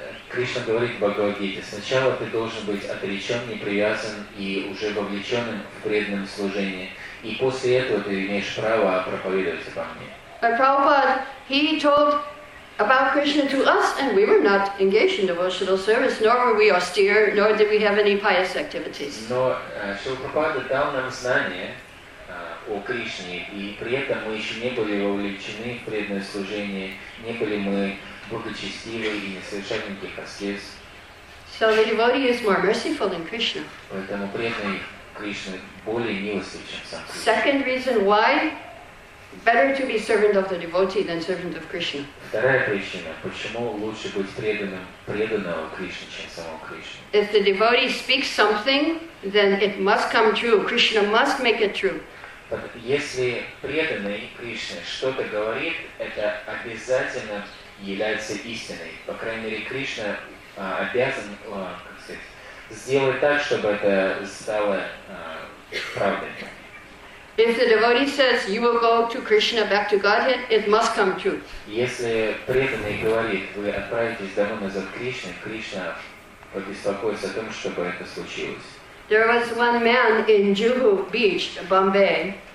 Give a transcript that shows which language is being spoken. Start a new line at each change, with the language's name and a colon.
Russian: Кришна говорит в Бхагавад-гите, сначала ты должен быть отречен, непривязан и уже вовлеченным в преданном служении, и после этого ты имеешь право проповедовать обо мне.
English: But Prabhupada, he told about Krishna to us, and we were not engaged in devotional service, nor were we austere, nor did we have any pious activities.
Russian: Но Шрила Прабхупада дал нам знание о Кришне, и при этом мы еще не были вовлечены в преданное служение, не были мы благочестивы и не совершали никаких аскез.
English: So the devotee is more merciful than Krishna.
Russian: Поэтому преданный Кришна более милостив, чем сам Кришна.
English: Second reason why better to be servant of the devotee than servant of Krishna.
Russian: Вторая причина, почему лучше быть преданным преданного Кришне, чем самого Кришны.
English: If the devotee speaks something, then it must come true. Krishna must make it true.
Russian: Если преданный Кришне что-то говорит, это обязательно является истиной. По крайней мере, Кришна обязан, как сказать, сделать так, чтобы это стало правдой.
English: If the devotee says you will go to Krishna back to Godhead, it must come true.
Russian: Если преданный говорит, вы отправитесь домой назад к Кришне, Кришна побеспокоится о том, чтобы это случилось.
English: There was one man in Juhu Beach, Bombay.